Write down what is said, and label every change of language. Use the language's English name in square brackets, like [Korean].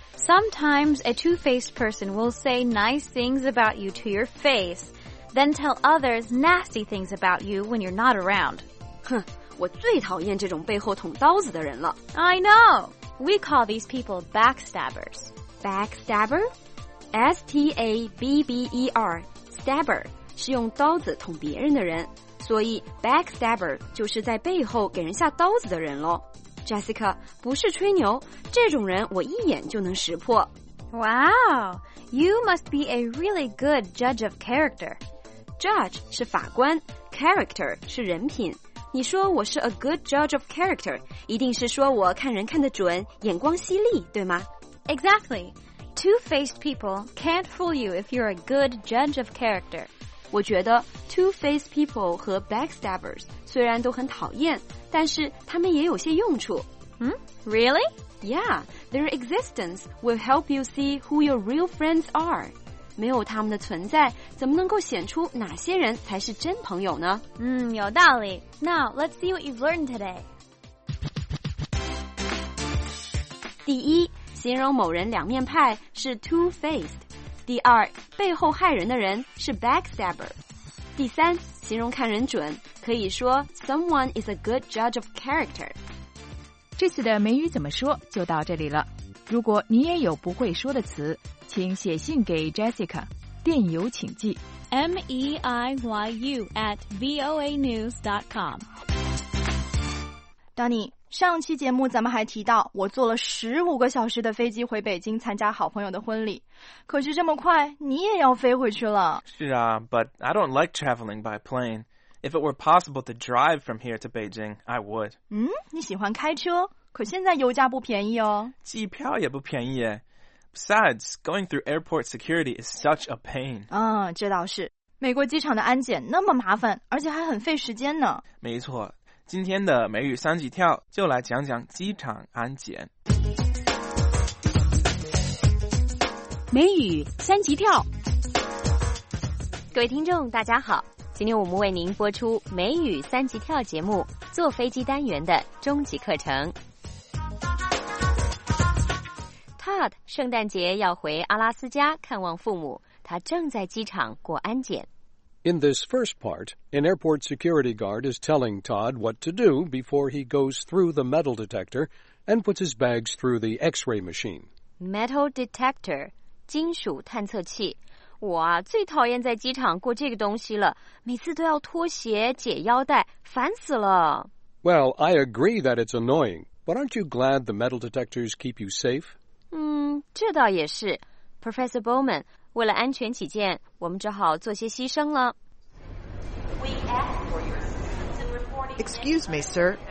[English] Sometimes a two-faced person will say nice things about you to your face, then tell others nasty things about you when you're not around. [Chinese] 哼，我最讨厌这种背后捅刀子的人了。 [English] I know. We call these people backstabbers. Backstabber? S-T-A-B-B-E-R. [Chinese] Stabber 是用刀子捅别人的人，所以 backstabber 就是在背后给人下刀子的人咯。 Jessica, 不是吹牛，这种人我一眼就能识破。 [English] Wow, you must be a really good judge of character. [Chinese] Judge 是法官， character 是人品。你说我是 a good judge of character, 一定是说我看人看得准，眼光犀利，对吗？ [English] Exactly. Two-faced people can't fool you if you're a good judge of character. [Chinese] 我觉得 two-faced people 和 backstabbers 虽然都很讨厌，但是他们也有些用处。 [English] Really? Yeah, their existence will help you see who your real friends are. [Chinese] 没有他们的存在，怎么能够显出哪些人才是真朋友呢？有道理。 [English] Now, let's see what you've learned today. [Chinese] 第一，形容某人两面派是 two-faced. 第二，背后害人的人是 backstabber. 第三，形容看人准，可以说 [English] someone is a good judge of character. [Chinese] 这次的美语怎么说就到这里了。如果你也有不会说的词，请写信给 Jessica， 电邮请寄 [English] meiyu at voanews.com。 [Chinese] Donny，上期节目咱们还提到，我坐了15个小时的飞机回北京参加好朋友的婚礼。可是这么快，你也要飞回去了。是啊 [English] ，but I don't like traveling by plane. If it were possible to drive from here to Beijing, I would. [Chinese] 你喜欢开车？可现在油价不便宜哦。机票也不便宜耶。 [English] Besides, going through airport security is such a pain. [Chinese] 这倒是。美国机场的安检那么麻烦，而且还很费时间呢。没错。今天的美语三级跳就来讲讲机场安检。美语三级跳，各位听众大家好，今天我们为您播出美语三级跳节目坐飞机单元的终极课程。 Todd 圣诞节要回阿拉斯加看望父母，他正在机场过安检。 [English] In this first part, an airport security guard is telling Todd what to do before he goes through the metal detector and puts his bags through the X-ray machine. [Chinese] Metal detector, 金属探测器。我最讨厌在机场过这个东西了，每次都要脱鞋解腰带，烦死了。 [English] Well, I agree that it's annoying, but aren't you glad the metal detectors keep you safe? [Chinese] 这倒也是。Professor Bowman,为了安全起见，我们只好做些牺牲了。 [English] Excuse me, sir.